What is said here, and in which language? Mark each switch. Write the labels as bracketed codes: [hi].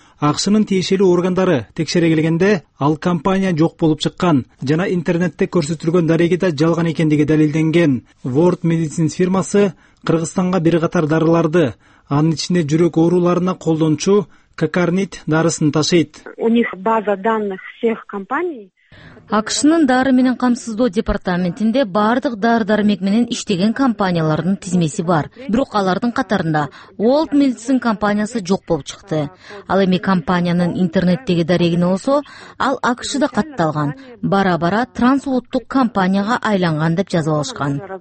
[ky] АКШнын тиешелүү органдары текшере келгенде ал компания жок болуп чыккан жана интернетте көрсөтүлгөн дарегида жалган экендиги далилденген. World Medicine фирмасы Кыргызстанга бир катар дарыларды, анын ичинде жүрөк ооруларына колдончу кокарнит дарысын ташыйт. [ru] У них база данных всех компаний. [ky] АКШнын дары менен камсыздоо департаментинде баардык дары дармек менен иштеген компаниялардын тизмеси бар. Бирок алардын катарында World Medicine компаниясы жок болуп чыкты. Ал эми компаниянын интернеттеги дарегине болсо, ал АКШда катталган, бара-бара трансулуттук компанияга айланган деп жазып алышкан.